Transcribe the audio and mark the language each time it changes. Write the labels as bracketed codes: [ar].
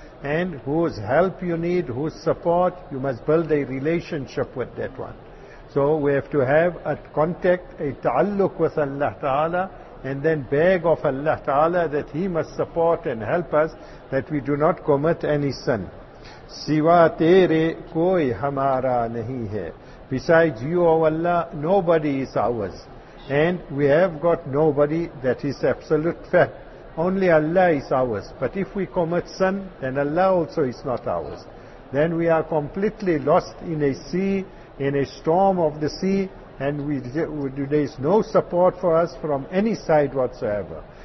[en] And whose help you need, whose support, you must build a relationship with that one. So we have to have a contact, a ta'alluq with Allah Ta'ala, and then beg of Allah Ta'ala that He must support and help us that we do not commit any sin. [ur] سوا تیرے کوئی ہمارا نہیں ہے. [en] Besides you, O Allah, nobody is ours. And we have got nobody, that is absolute fact. Only Allah is ours. But if we commit sin, then Allah also is not ours. Then we are completely lost in a sea, in a storm of the sea, and there is no support for us from any side whatsoever.